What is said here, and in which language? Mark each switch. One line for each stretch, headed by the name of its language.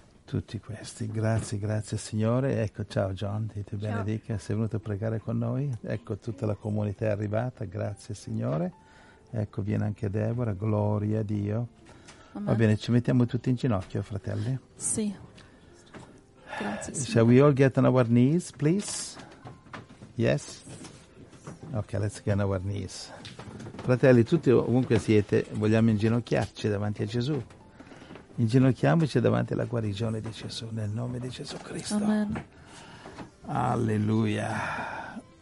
Italian: Tutti questi. Grazie, grazie Signore. Ecco, ciao John, ti ciao. Benedica. Sei venuto a pregare con noi. Ecco, tutta la comunità è arrivata. Grazie Signore. Ecco, viene anche Deborah. Gloria a Dio. Amen. Va bene, ci mettiamo tutti in ginocchio, fratelli. Sì. Grazie Signore.
English: Shall we all get on our knees, please? Yes? Ok, let's get on our knees.
Italian: Fratelli, tutti ovunque siete, vogliamo inginocchiarci davanti a Gesù. Inginocchiamoci davanti alla guarigione di Gesù, nel nome di Gesù Cristo. Amen. Alleluia.